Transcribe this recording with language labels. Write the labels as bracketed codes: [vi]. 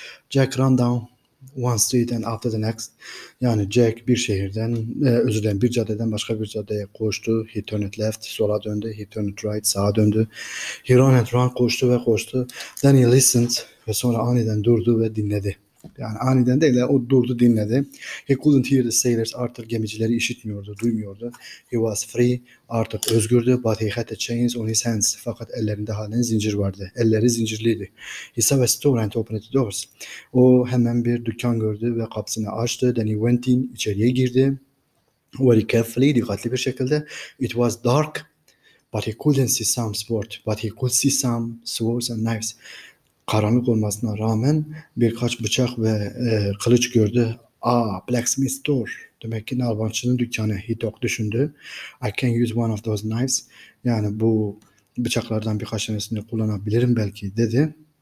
[en] Jack ran down one street and after the next. [tr] Yani Jack bir şehirden, özür dilerim, bir caddeden başka bir caddeye koştu. [en] He turned left, [tr] sola döndü. [en] He turned right, [tr] sağa döndü. [en] He ran and ran, [tr] koştu ve koştu. [en] Then he listened [tr] ve sonra aniden durdu ve dinledi. Yani aniden değil de o durdu dinledi. [en] He couldn't hear the sailors. [tr] Arthur gemicileri işitmiyordu, duymuyordu. [en] He was free. [tr] Arthur özgürdü. [en] But he had the chains on his hands. [tr] Fakat ellerinde halen zincir vardı. Elleri zincirliydi. [en] He saw a store and opened the doors. [tr] O hemen bir dükkan gördü ve kapısını açtı. [en] Then he went in. [tr] İçeriye girdi. [en] Very carefully, [tr] dikkatli bir şekilde. [en] It was dark. But he couldn't see some sword. But he could see some swords and knives. [tr] Karanlık olmasına rağmen birkaç bıçak ve kılıç gördü. [en] Aa, blacksmith store. [tr] Demek ki narbançının dükkanı. Hitok düşündü. [en] I can use one of those knives. [tr] Yani bu bıçaklardan birkaç tanesini kullanabilirim belki dedi.